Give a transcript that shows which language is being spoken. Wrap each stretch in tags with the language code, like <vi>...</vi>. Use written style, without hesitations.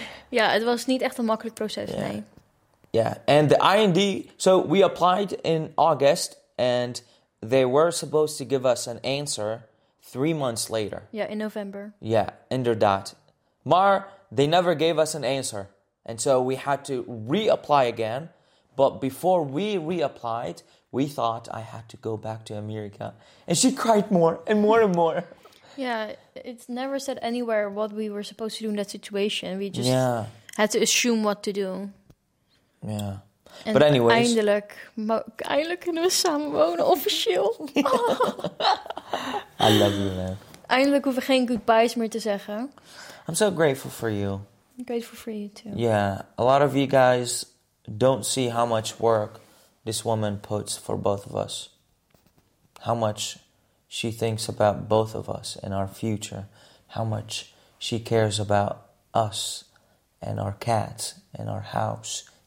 <nl>Yeah,</nl> <en>it was</en> <nl>niet echt een makkelijk proces, yeah. Nee.</nl> <en>Yeah, and the IND, so we applied in August, and they were supposed to give us an answer 3 months later. Yeah, in November.</en> <nl>Yeah, inderdaad. Maar,</nl> <en>they never gave us an answer, and so we had to reapply again. But before we reapplied, we thought I had to go back to America, and she cried more and more and more. Yeah, it's never said anywhere what we were supposed to do in that situation. We just had to assume what to do.</en> <nl>Ja, en</nl> <en>but anyways.</en> <nl>Eindelijk kunnen we samen wonen, officieel.</nl> <en>I love you, man.</en> <nl>Eindelijk hoeven we geen goodbyes meer te zeggen.</nl> <en>I'm so grateful for you. I'm grateful for you, too. Yeah, a lot of you guys don't see how much work this woman puts for both of us. How much she thinks about both of us and our future. How much she cares about us and our cats and our house.</en>